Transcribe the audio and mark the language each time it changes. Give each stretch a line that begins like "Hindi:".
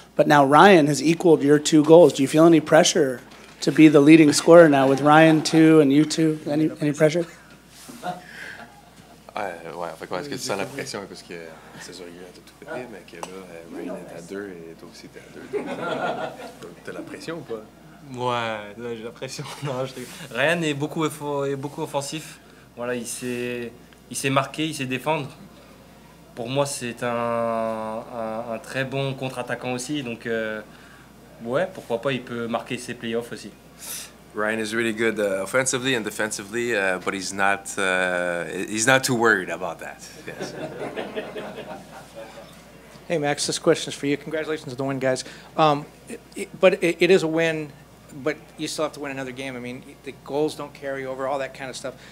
English: But now Ryan has equaled your two goals. Do you feel any pressure to be the leading scorer now with Ryan two and you two? Any pressure?
French: Ouais, en fait, comment est-ce que tu sens la pression? Parce que c'est sûr qu'il a tout pété, mais que là, Ryan est à deux et toi aussi t'es à deux. Donc, t'as la pression ou pas? Ouais, là, j'ai la pression. Non, Ryan est beaucoup offensif. Voilà, il s'est marqué, il sait défendre. Pour moi, c'est un très bon contre-attaquant aussi. Donc, ouais, pourquoi pas, il peut marquer ses playoffs aussi.
English: Ryan is really good offensively and defensively, but he's not too worried about that. Yes. Hey, Max, this question is for you. Congratulations on the win, guys. It is a win, but you still have to win another game. I mean, the goals don't carry over, all that kind of stuff.